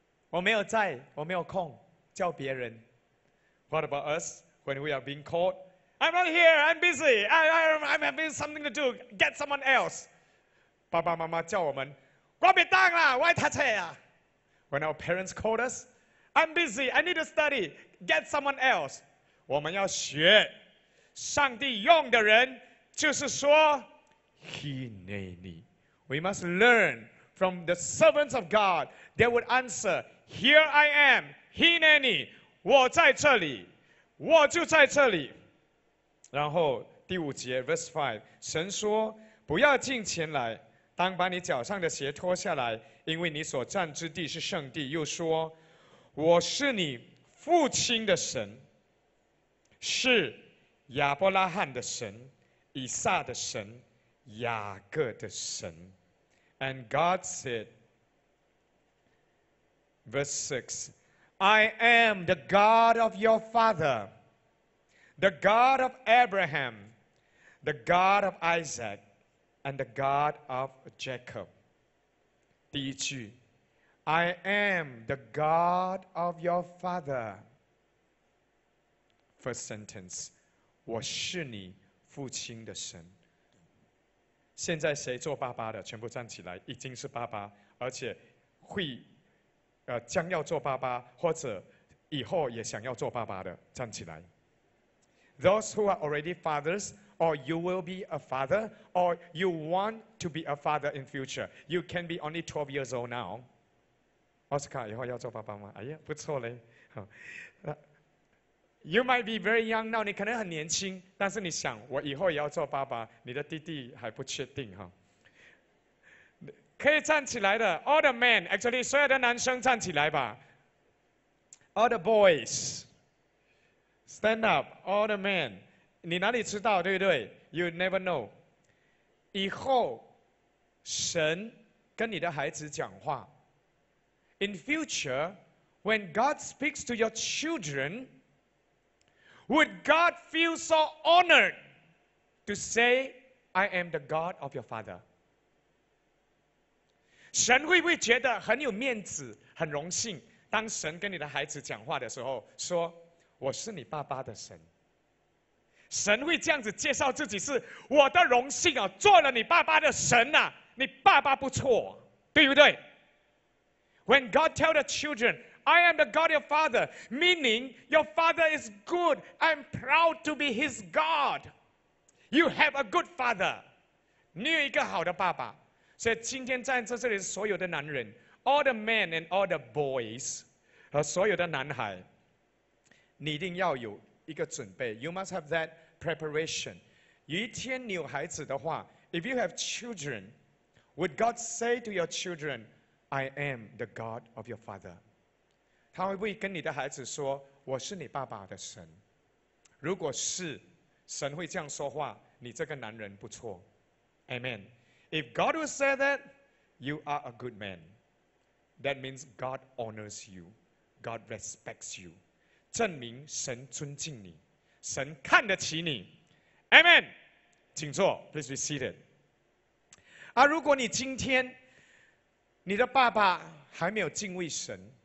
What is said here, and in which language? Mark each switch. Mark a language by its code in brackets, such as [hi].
[zh] 我没有在，我没有空叫别人。 [en] What about us when we are being called? I'm not here. I'm busy. I'm having something to do. Get someone else. [zh] 爸爸妈妈叫我们，我没当啦，我太菜呀。 [en] When our parents called us, I'm busy. I need to study. Get someone else. [zh] 我们要学上帝用的人。就是说 Hineni. [en] We must learn from the servants of God. They would answer, Here I am, Hineni. [zh] 我在这里，我就在这里。然后第五节 verse 5, 神说，不要近前来，当把你脚上的鞋脱下来，因为你所站之地是圣地。又说，我是你父亲的神，是亚伯拉罕的神，以撒的神，雅各的神。 [en] And God said, verse 6, I am the God of your father, the God of Abraham, the God of Isaac, and the God of Jacob. [zh] 第一句， [en] I am the God of your father. First sentence, [zh] 我是你父亲的神。现在谁做爸爸的全部站起来，已经是爸爸，而且会将要做爸爸，或者以后也想要做爸爸的站起来。 [en] Those who are already fathers, or you will be a father, or you want to be a father in future, you can be only 12 years old now. [zh] 奥斯卡以后要做爸爸吗？哎呀，不错嘞。 [en] You might be very young now, [zh] 你可能很年轻，但是你想，我以后也要做爸爸，你的弟弟还不确定哈。可以站起来的 ， [en] all the men, actually, [zh] 所有的男生站起来吧。 [en] All the boys, stand up, all the men. [zh] 你哪里知道，对不对 ？ [en] You never know. [zh] 以后，神跟你的孩子讲话。 [en] In future, when God speaks to your children,Would God feel so honored to say, I am the God of your father? [zh] 神会不会觉得很有面子，很荣幸，当神跟你的孩子讲话的时候，说，我是你爸爸的神。神会这样子介绍自己，是我的荣幸啊，做了你爸爸的神啊，你爸爸不错，对不对？ [en] When God tell the children,I am the God your father, meaning your father is good. I'm proud to be his God. You have a good father. [zh] 你有一个好的爸爸。所以今天站在这里所有的男人， [en] all the men and all the boys, [zh] 和所有的男孩，你一定要有一个准备。 [en] You must have that preparation. [zh] 有一天你有孩子的话， [en] if you have children, would God say to your children, I am the God of your father? [zh] 他会不会跟你的孩子说，我是你爸爸的神？如果是，神会这样说话，你这个男人不错。 [en] Amen. If God will say that, you are a good man. That means God honors you. God respects you. [zh] 证明神尊敬你，神看得起你。 Amen. 请坐， [en] please be seated. [zh] 如果你今天你的爸爸还没有敬畏神。